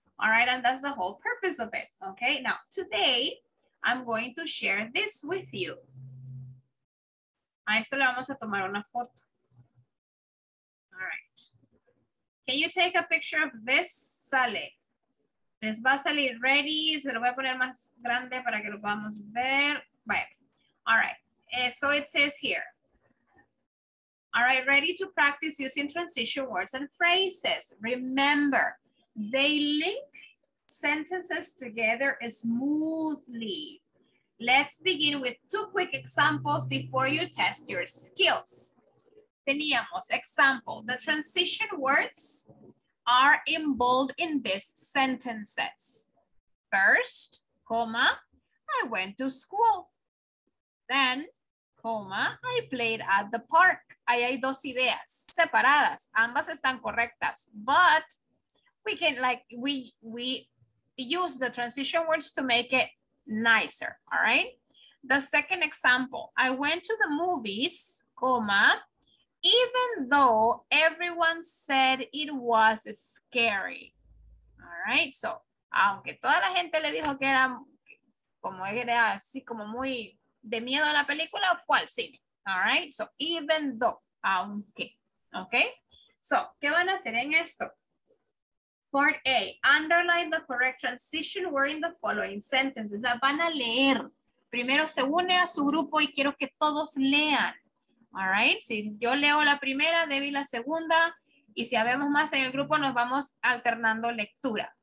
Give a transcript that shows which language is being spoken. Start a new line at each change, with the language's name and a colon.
English: All right, and that's the whole purpose of it. Okay, now today I'm going to share this with you.
Spanish: A esto le vamos a tomar una foto.
English: All right. Can you take a picture of this, Sale?
Spanish: Les va a salir ready. Se lo voy a poner más grande para que lo podamos ver.
English: Vaya. All right. So it says here. All right, ready to practice using transition words and phrases. Remember, they link sentences together smoothly. Let's begin with two quick examples before you test your skills.
Spanish: Teníamos
English: example. The transition words are in bold in these sentences. First, comma, I went to school. Then, comma, I played at the park.
Spanish: Ahí hay dos ideas separadas. Ambas están correctas.
English: But we can, like, we use the transition words to make it nicer, all right? The second example, I went to the movies, comma, even though everyone said it was scary, all right?
Spanish: So, aunque toda la gente le dijo que era así como muy de miedo a la película, fue al cine, all right?
English: So, even though,
Spanish: aunque, okay? So, ¿qué van a hacer en esto?
English: Part A, underline the correct transition word in the following sentences.
Spanish: La van a leer. Primero se une a su grupo y quiero que todos lean. All right? Si yo leo la primera, Debbie la segunda. Y si habemos más en el grupo, nos vamos alternando lectura.